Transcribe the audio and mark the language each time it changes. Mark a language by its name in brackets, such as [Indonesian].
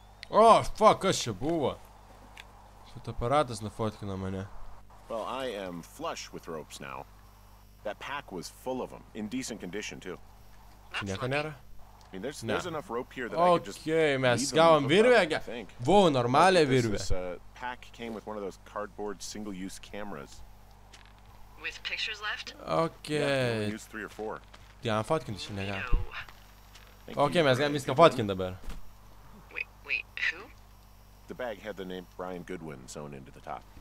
[English] Oh, fuck, [Lithuanian] kas čia buvo? Fotoaparatas nufotkino mane. [English] Well, I am flush with ropes now. That pack was full of them, in decent condition, too. [Lithuanian] Čia nieko nėra? [English] I mean, there's enough rope here that okay, I could just... [Lithuanian] Okay, mes gavom virvę, buvo normalią virvę. [English] This pack came with one of those cardboard single-use cameras. With pictures left? Okay. Yeah, use three or four. [Lithuanian] Jam fotkinti šiandien negal. Okay, mes galim viską fotkinti dabar. [English] Wait, who? The bag had the name Brian Goodwin sewn into the top.